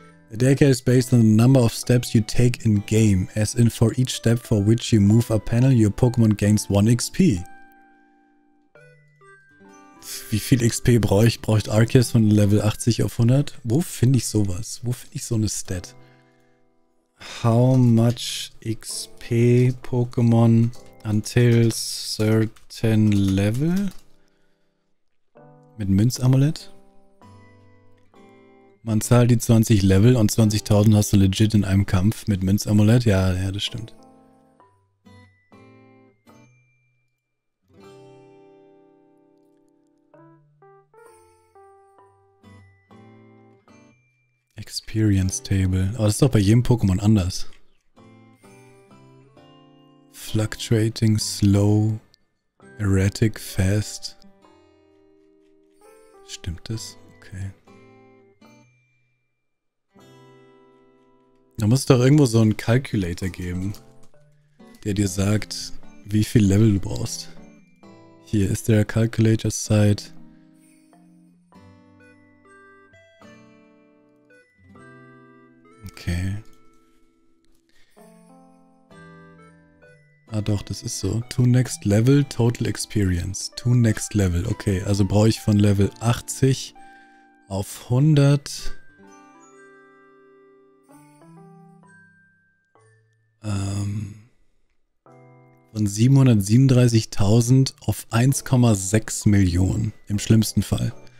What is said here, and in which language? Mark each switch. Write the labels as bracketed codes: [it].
[en] The daycare is based on the number of steps you take in game. As in, for each step for which you move a panel, your Pokémon gains 1 XP. [de] Wie viel XP braucht Arceus von Level 80 auf 100? Wo finde ich sowas? Wo finde ich so eine Stat? [en] How much XP Pokémon until certain level? [de] Mit Münzamulett. Man zahlt die 20 Level und 20.000 hast du legit in einem Kampf mit Münzamulett. Ja, ja, das stimmt. [en] Experience Table. [de] Aber das ist doch bei jedem Pokémon anders. [en] Fluctuating, slow, erratic, fast. [de] Stimmt das? Okay. Da muss es doch irgendwo so einen Calculator geben, der dir sagt, wie viel Level du brauchst. Hier ist der Calculator Site. Okay. Ah doch, das ist so. [en] To next level, total experience. To next level, okay. [de] Also brauche ich von Level 80 auf 100. Von 737.000 auf 1,6 Millionen. Im schlimmsten Fall.